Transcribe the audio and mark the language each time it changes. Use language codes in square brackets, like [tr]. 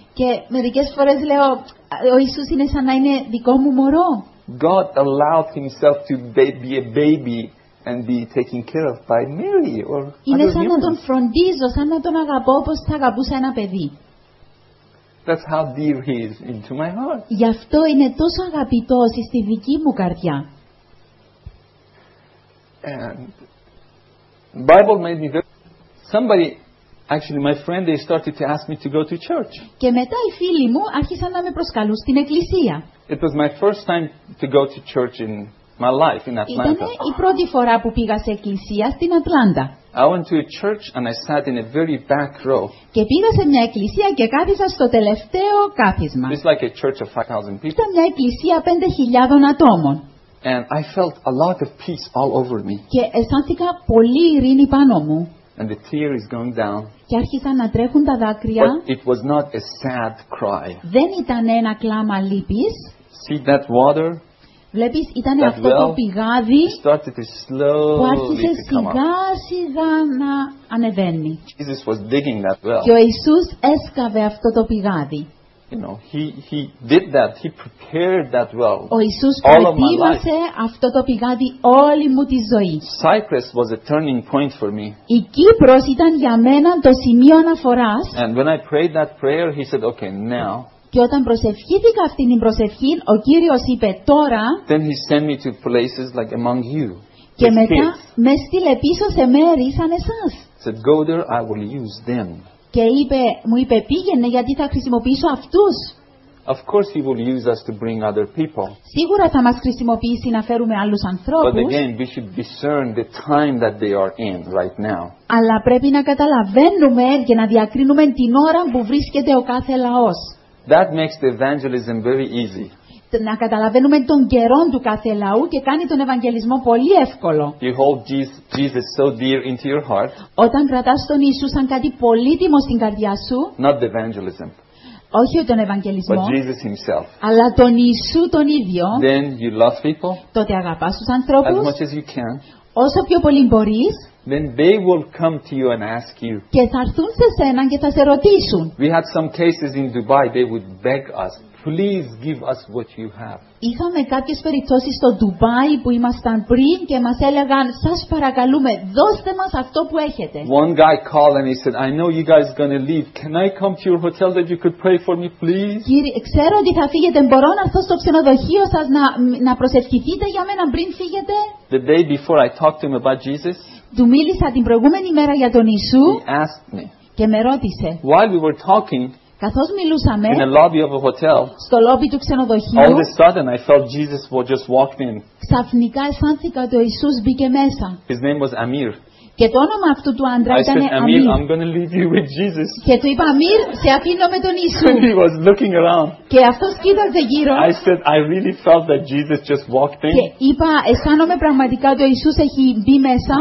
[el] Και μερικές φορές λέω ο Ιησούς είναι σαν να είναι δικό μου μωρό. [en] God allowed himself to be a baby and be taken care of by Mary or other humans. [el] Είναι σαν να τον φροντίζω, σαν να τον αγαπώ όπως θα αγαπούσα ένα παιδί. [en] That's how dear he is into my heart. [el] Γι' αυτό είναι τόσο αγαπητός στη δική μου καρδιά. [en] And the Bible made me very. Somebody, actually, my friend, they started to ask me to go to church. [el] Και μετά οι φίλοι μου άρχισαν να με προσκαλούν στην εκκλησία. [en] It was my first time to go to church in my life in Atlanta. [el] Ήταν η πρώτη φορά που πήγα σε εκκλησία στην Ατλάντα. [en] I went to a church and I sat in a very back row. [el] Και πήγα σε μια εκκλησία και κάθισα στο τελευταίο κάθισμα. [en] It's like a church of 5,000 people. [el] Ήταν μια εκκλησία 5,000 ατόμων. [en] And I felt a lot of peace all over me. [el] Και αισθάνθηκα πολύ ειρήνη πάνω μου. [en] And the tear is going down. [el] Και άρχισαν να τρέχουν τα δάκρυα. [en] But it was not a sad cry. [el] Δεν ήταν ένα κλάμα λύπης. [en] See that water? [el] Βλέπεις, ήταν αυτό το πηγάδι που άρχισε σιγά σιγά να ανεβαίνει. [en] Jesus was digging that well. [el] Και ο Ιησούς έσκαβε αυτό το πηγάδι. [en] You know, he did that. He prepared that well. [el] Ο Ιησούς προετοίμασε αυτό το πηγάδι όλη μου τη ζωή. [en] Cyprus was a turning point for me. [el] Η Κύπρος ήταν για μένα το σημείο αναφοράς. [en] And when I prayed that prayer, he said, "Okay, now." [el] Και όταν προσευχήθηκα αυτήν την προσευχή, ο Κύριος είπε, "Τώρα." [en] Then he sent me to places like among you. [el] Και μετά με στείλε πίσω σε μέρη σαν εσάς. [en] Said, "Go there. I will use them." [el] Και είπε, μου είπε πήγαινε γιατί θα χρησιμοποιήσω αυτούς. [en] Of course he will use us to bring other people. [el] Σίγουρα θα μας χρησιμοποιήσει να φέρουμε άλλους ανθρώπους. [en] But again, we should discern the time that they are in right now. [el] Αλλά πρέπει να καταλαβαίνουμε και να διακρίνουμε την ώρα που βρίσκεται ο κάθε λαός. [en] That makes the evangelism very easy. [el] Να καταλαβαίνουμε τον καιρό του κάθε λαού και κάνει τον Ευαγγελισμό πολύ εύκολο. [en] You hold Jesus so dear into your heart. [el] Όταν κρατάς τον Ιησού σαν κάτι πολύτιμο στην καρδιά σου. [en] Not the evangelism. [el] Όχι τον Ευαγγελισμό, [en] but Jesus himself. [el] Αλλά τον Ιησού τον ίδιο. [en] Then you love people. [el] Τότε αγαπάς τους ανθρώπους. [en] As much as you can. [el] Όσο πιο πολύ μπορείς. [en] Then they will come to you and ask you. [el] Και θα έρθουν σε σένα και θα σε ρωτήσουν. [en] We had some cases in Dubai. They would beg us, please give us what you have. [el] Είχαμε κάποιες περιπτώσεις στο Ντουμπάι που ήμασταν πριν και μας έλεγαν, σας παρακαλούμε, δώστε μας αυτό που έχετε. [en] One guy called and he said, I know you guys are going to leave. Can I come to your hotel that you could pray for me, please? [el] Ξέρω ότι θα φύγετε, μπορώ να έρθω στο ξενοδοχείο σας να προσευχηθείτε για μένα πριν φύγετε. [en] The day before I talked to him about Jesus, [el] του μίλησα την προηγούμενη μέρα για τον Ιησού, [en] he asked me, [el] και με ρώτησε, [en] while we were talking, [el] καθώς μιλούσαμε [en] in a lobby of a hotel, [el] στο λόμπι του ξενοδοχείου, [en] all of a sudden I felt Jesus just walked in. [el] Ξαφνικά αισθάνθηκα ότι ο Ιησούς μπήκε μέσα. [en] His name was Amir. [el] Και το όνομα αυτού του άντρα ήταν [en] Amir. I'm going to leave you with Jesus. [el] Και του είπα, Amir, σε αφήνω με τον Ιησού. [en] He was looking around. [el] Και αυτός κοίταζε γύρω. [en] I said, I really felt that Jesus just walked in. [el] Και είπα, αισθάνομαι πραγματικά ότι ο Ιησούς έχει μπει μέσα.